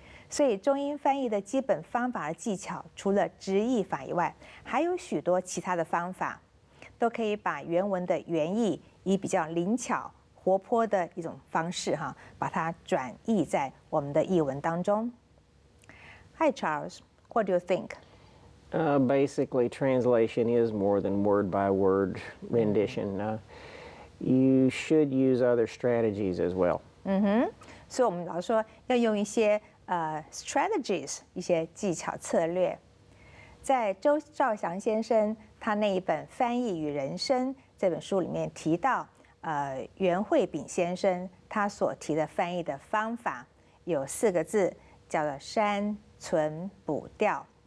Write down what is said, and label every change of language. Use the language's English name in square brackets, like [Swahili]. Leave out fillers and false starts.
[Chinese] 所以中英翻译的基本方法和技巧，除了直译法以外，还有许多其他的方法，都可以把原文的原意以比较灵巧活泼的一种方式哈，把它转译在我们的译文当中。 [English] Hi Charles, what do you think? Basically, translation is more than word by word rendition. You should use other strategies as well. [Chinese] 所以我们老说要用一些strategies 一些技巧策略。在周兆祥先生他那一本《翻译与人生》这本书里面提到，袁慧秉先生他所提的翻译的方法有四个字，叫做删存补调。